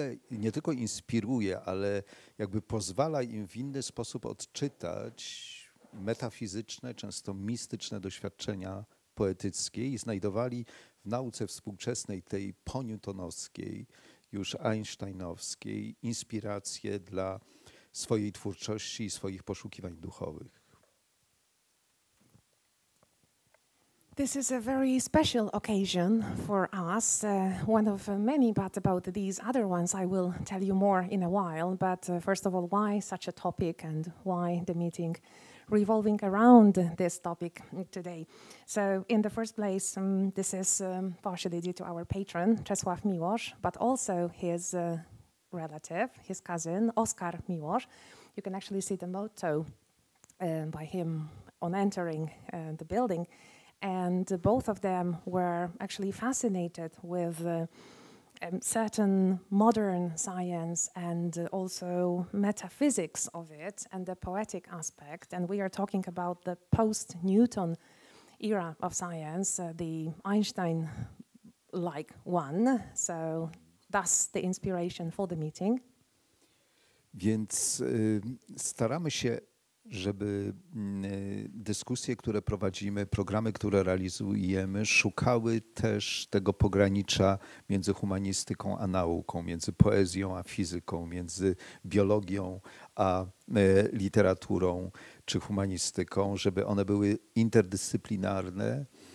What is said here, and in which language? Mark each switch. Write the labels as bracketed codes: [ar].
[pl] nie tylko inspiruje, ale jakby pozwala im w inny sposób odczytać metafizyczne, często mistyczne doświadczenia poetyckie i znajdowali w nauce współczesnej, tej poniutonowskiej, już einsteinowskiej, inspirację dla swojej twórczości i swoich poszukiwań duchowych. [en] This is a very special occasion for us, one of many, but about these other ones I will tell you more in a while. But first of all, why such a topic and why the meeting revolving around this topic today? So in the first place, this is partially due to our patron, Czesław Miłosz, but also his relative, his cousin, Oskar Miłosz. You can actually see the motto by him on entering the building. And both of them were actually fascinated with certain modern science and also metaphysics of it and the poetic aspect. And we are talking about the post-Newton era of science, the Einstein-like one. So thus the inspiration for the meeting. [pl] Więc staramy się, żeby dyskusje, które prowadzimy, programy, które realizujemy, szukały też tego pogranicza między humanistyką a nauką, między poezją a fizyką, między biologią a literaturą czy humanistyką, żeby one były interdyscyplinarne,